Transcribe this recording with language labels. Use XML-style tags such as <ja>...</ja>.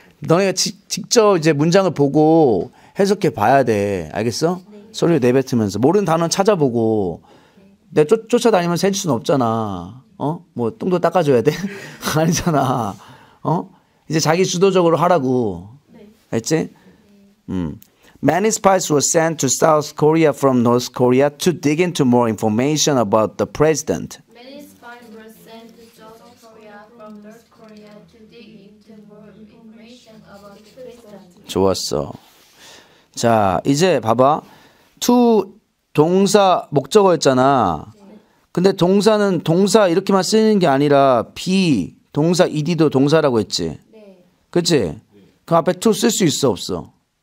<ko>너네가 직접 이제 문장을 보고 해석해 봐야 돼. 알겠어? 네. 소리를 내뱉으면서 모르는 단어 찾아보고 내가 쫓아다니면서 해줄 수는 없잖아. 뭐 똥도 닦아줘야 돼? 아니잖아. 이제 자기 주도적으로 하라고. 네. 알지?</ko> <en>Many spies were sent to South Korea from North Korea to dig into more information about the president. Many spies were sent to South Korea from North Korea to dig into more information about the president.</en> <ko>좋았어. 자, 이제 봐봐. To 동사 목적어였잖아. 근데 동사는 동사 이렇게만 쓰는 게 아니라 be 동사 ed도 동사라고 했지. 그치? 그 앞에 to 쓸 수 있어 없어?</ko>